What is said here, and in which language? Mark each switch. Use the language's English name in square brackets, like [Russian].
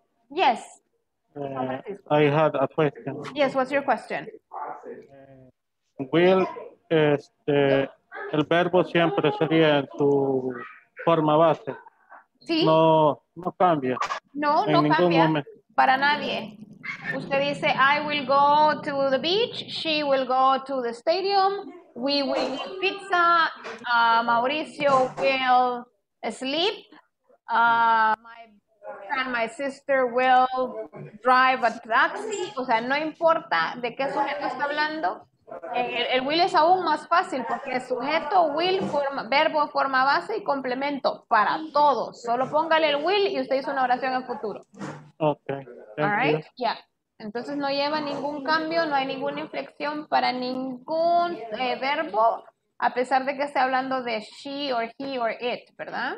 [English] Yes. I had a question. Yes, what's your question? [Spanish] Will, el verbo siempre sería en su forma base. Sí. No cambia. No cambia. Para nadie. Usted dice, [English] I will go to the beach, she will go to the stadium, we will eat pizza, Mauricio will sleep, and my sister will drive a taxi. [Spanish] O sea, no importa de qué sujeto está hablando. El will es aún más fácil porque sujeto, will, forma, verbo, forma base y complemento para todos. Solo póngale el will y usted hizo una oración en futuro. [English] Okay. All right. Ya. Yeah. [Spanish] Entonces no lleva ningún cambio, no hay ninguna inflexión para ningún verbo, a pesar de que esté hablando de [English] she or he or it, [Spanish] ¿verdad?